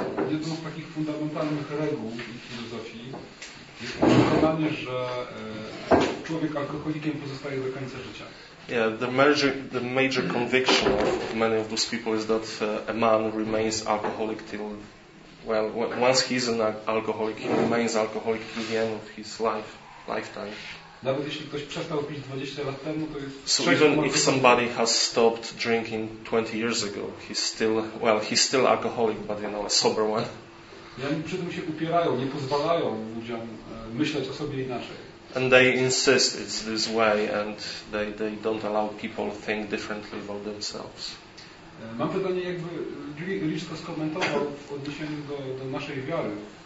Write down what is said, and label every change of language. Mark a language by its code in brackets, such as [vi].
[pl] Jedną z takich fundamentalnych reguł filozofii jest przekonanie, że człowiek alkoholikiem pozostaje do końca życia. [en] Yeah, the major conviction of many of those people is that a man remains alcoholic till, well, once he is an alcoholic, he remains alcoholic till the end of his lifetime. [pl] Nawet jeśli ktoś przestał pić 20 lat temu, to jest. [en] So even if somebody has stopped drinking 20 years ago, he's still alcoholic, but you know, a sober one. [pl] I oni przy tym się upierają, nie pozwalają ludziom myśleć o sobie inaczej. [en] And they insist it's this way, and they don't allow people think differently about themselves. [pl] Mam pytanie, jakby Rich to skomentował w odniesieniu do naszej wiary.